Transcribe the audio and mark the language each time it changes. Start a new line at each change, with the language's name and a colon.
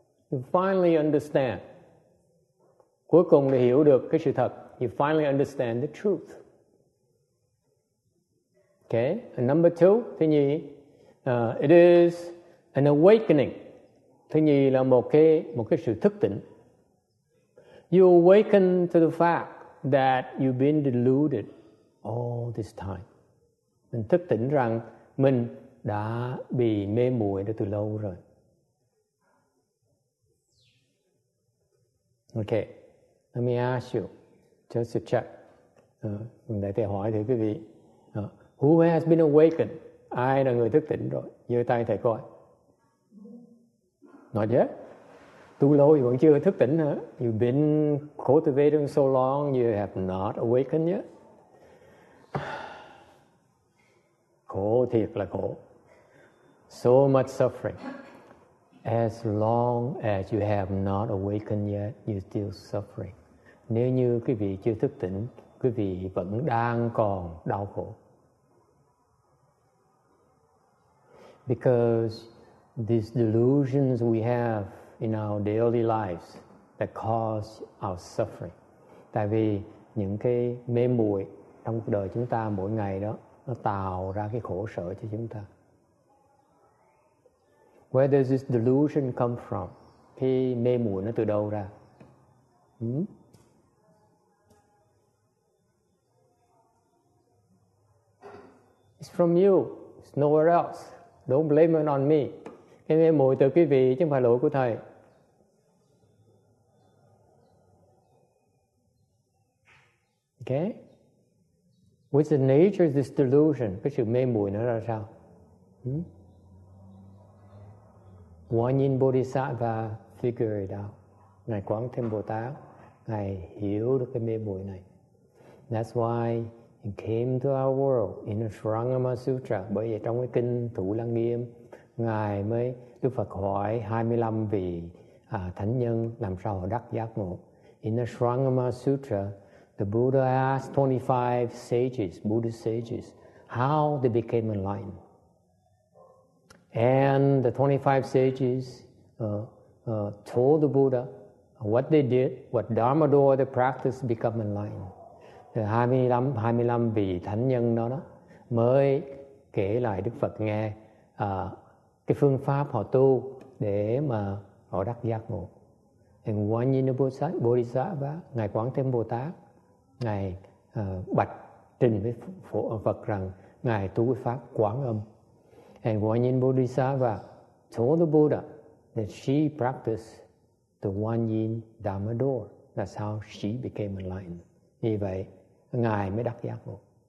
English: You finally understand.
Vietnamese: Cuối cùng là hiểu được cái sự thật.
English: You finally understand the truth. Okay. And number two,
Vietnamese: thứ nhì,
English: it is an awakening.
Vietnamese: Thứ nhì là một cái sự thức tỉnh.
English: You awaken to the fact that you've been deluded all this time.
Vietnamese: Mình thức tỉnh rằng mình đã bị mê muội từ lâu rồi.
English: Okay, let me ask you, just to check.
Vietnamese: Để thầy hỏi thử quý vị.
English: Who has been awakened?
Vietnamese: Ai là người thức tỉnh rồi? Giơ tay thầy coi.
English: Not yet.
Vietnamese: Tu lâu thì vẫn chưa thức tỉnh hả?
English: You've been cultivating so long, you have not awakened yet.
Vietnamese: Khổ thiệt là khổ.
English: So much suffering. As long as you have not awakened yet, you're still suffering.
Vietnamese: Nếu như quý vị chưa thức tỉnh, quý vị vẫn đang còn đau khổ.
English: Because these delusions we have in our daily lives that cause our suffering.
Vietnamese: Tại vì những cái mê muội trong cuộc đời chúng ta mỗi ngày đó, nó tạo ra cái khổ sở cho chúng ta.
English: Where does this delusion come from?
Vietnamese: Cái mê muội nó từ đâu ra?
English: It's from you. It's nowhere else. Don't blame it on me.
Vietnamese: Cái mê muội từ quý vị chứ không phải lỗi của thầy.
English: Okay. What's the nature of this delusion?
Vietnamese: Cái sự mê muội nó ra sao?
English: One in Bodhisattva figure it out.
Vietnamese: Ngài Quán Thế Âm Bồ Tát, Ngài hiểu được cái mê muội này.
English: That's why he came to our world in the Sarangama Sutra.
Vietnamese: Bởi vậy trong cái kinh Thủ Lăng Nghiêm, Ngài mới Đức Phật hỏi 25 vị thánh nhân làm sao họ đắc giác ngộ.
English: In the Sarangama Sutra, the Buddha asked 25 sages, Buddhist sages, how they became enlightened. And the 25 sages told the Buddha what they did, what Dharma door they practiced to become enlightened.
Vietnamese: 25 vị thánh nhân đó mới kể lại Đức Phật nghe cái phương pháp họ tu để mà họ đắc giác ngộ.
English: And one in the Bodhisattva,
Vietnamese: Ngài Quán Thế Âm Bồ Tát, Ngài bạch trình với Phật rằng Ngài tu cái pháp Quán Âm.
English: And Hoa Nhiên Bodhisattva told the Buddha that she practiced the One Yin Dharma Door. That's how she became enlightened.
Vietnamese: Như vậy, Ngài mới đắc giác ngộ.